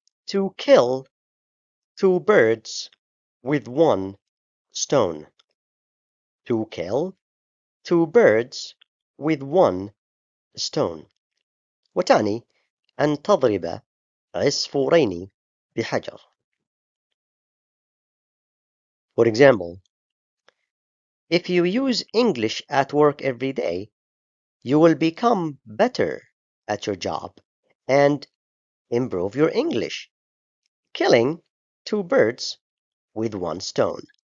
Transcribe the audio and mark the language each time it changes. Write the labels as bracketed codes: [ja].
[en] To kill two birds with one stone. To kill two birds with one stone. [ar] وتعني أن تضرب عصفورين بحجر. [en] For example, if you use English at work every day, you will become better at your job and improve your English. Killing two birds with one stone.